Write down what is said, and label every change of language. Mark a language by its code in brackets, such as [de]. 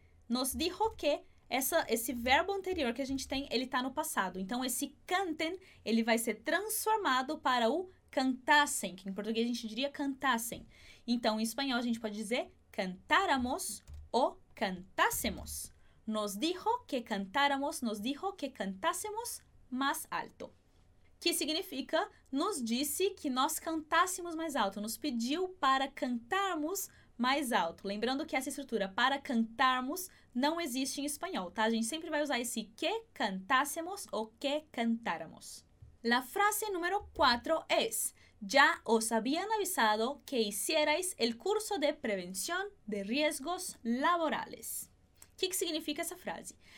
[es] Nos dijo que, [pt] esse verbo anterior que a gente tem, ele está no passado. Então, esse canten, ele vai ser transformado para o cantassem, que em português a gente diria cantassem. Então, em espanhol, a gente pode dizer cantáramos ou cantássemos. [es] Nos dijo que cantáramos, nos dijo que cantássemos más alto. [pt] que significa nos disse que nós cantássemos mais alto, nos pediu para cantarmos mais alto. Lembrando que essa estrutura para cantarmos não existe em espanhol, tá? A gente sempre vai usar esse que cantássemos ou que cantáramos. [es] La frase número 4 es: Ya os habían avisado que hicierais el curso de prevención de riesgos laborales. ¿Qué significa esa frase?